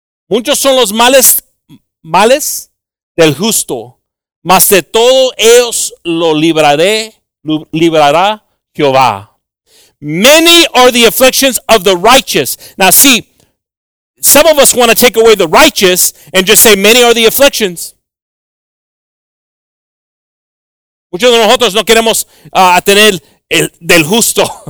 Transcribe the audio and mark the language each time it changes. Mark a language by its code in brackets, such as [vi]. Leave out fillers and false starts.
[es] Muchos son los males del justo, mas de todos ellos lo librará Jehová. [en] Many are the afflictions of the righteous. Now see, some of us want to take away the righteous and just say many are the afflictions. [es] Muchos de nosotros no queremos tener el del justo.